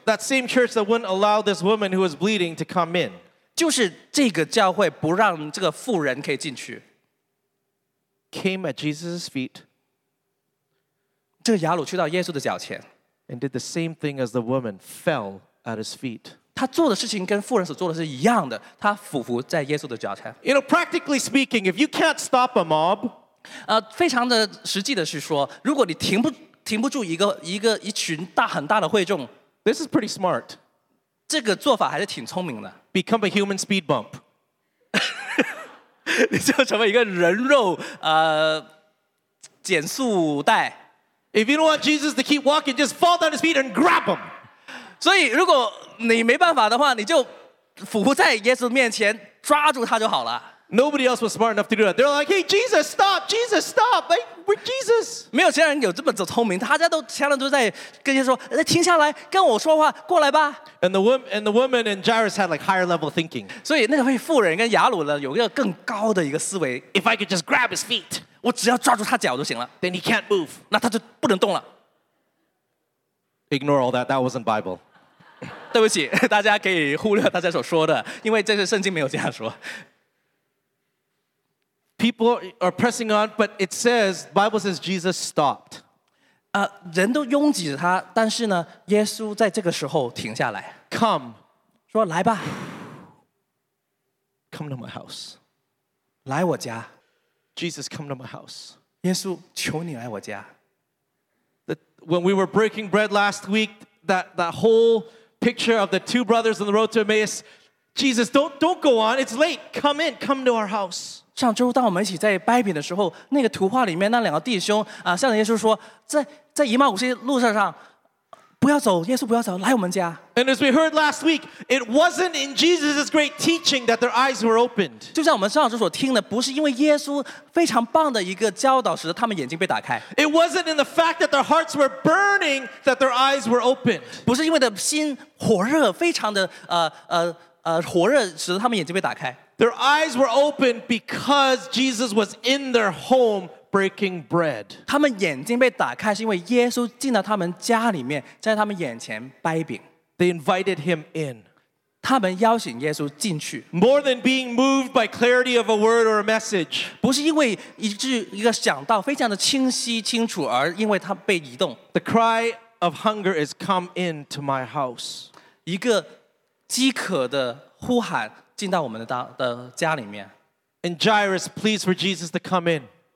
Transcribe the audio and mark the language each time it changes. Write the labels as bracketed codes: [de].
[en] That same church that wouldn't allow this woman who was bleeding to come in. [zh] 就是这个教会不让这个妇人可以进去 [en] Came at Jesus' feet. [zh] 这个雅鲁去到耶稣的脚前 [en] And did the same thing as the woman fell at his feet. [zh] 他做的事情跟妇人所做的是一样的他俯伏在耶稣的脚前 [en] You know, practically speaking, if you can't stop a mob, [zh] 非常的实际的是说如果你停不住一群大很大的会众 [en] This is pretty smart. [zh] 这个做法还是挺聪明的 [en] Become a human speed bump. [zh] 你就成为一个人肉减速带 [en] If you don't want Jesus to keep walking, just fall down his feet and grab him. [zh] 所以如果你没办法的话你就俯伏在耶稣面前抓住他就好了 [en] Nobody else was smart enough to do that They're like, hey, Jesus, stop, Jesus, stop Hey, we're Jesus [zh] 没有其他人有这么聪明大家都前面都在跟耶稣说停下来跟我说话过来吧 [en] And the woman and Jairus had like higher level thinking [zh] 所以那位妇人跟雅鲁呢有一个更高的一个思维 [en] If I could just grab his feet [zh] 我只要抓住他脚就行了 [en] Then he can't move [zh] 那他就不能动了 [en] Ignore all that, that wasn't Bible [zh] 对不起，大家可以忽略大家所说的，因为这是圣经没有这样说。 [en] People are pressing on, but it says, Bible says Jesus stopped. [zh] 人都拥挤着他，但是呢，耶稣在这个时候停下来。 [en] Come. [zh] 说来吧。 [en] Come to my house. [zh] 来我家。 [en] Jesus, come to my house. [zh] 耶稣，求你来我家。 [en] When we were breaking bread last week, that whole... picture of the two brothers on the road to Emmaus. Jesus, don't go on. It's late. Come in. Come to our house. [zh] 上周当我们一起在掰饼的时候，那个图画里面那两个弟兄向耶稣说，在以马忤路上，不要走，耶稣不要走，来我们家。 [en] And as we heard last week, it wasn't in Jesus' great teaching that their eyes were opened. [zh] 就像我们上周所听的，不是因为耶稣非常棒的一个教导使得他们眼睛被打开。 [en] It wasn't in the fact that their hearts were burning that their eyes were opened. [zh] 不是因为的心火热，非常的火热使得他们眼睛被打开。 [en] Their eyes were open because Jesus was in their home breaking bread. [zh] 他们眼睛被打开是因为耶稣进到他们家里面，在他们眼前掰饼。 [en] They invited him in. [zh] 他们邀请耶稣进去。 [en] More than being moved by clarity of a word or a message. [zh] 不是因为一个讲道非常的清晰清楚，而因为他被移动。 [en] The cry of hunger is come into my house. [zh] 一个饥渴的呼喊进到我们的家里面。 [en] And Jairus pleads for Jesus to come in.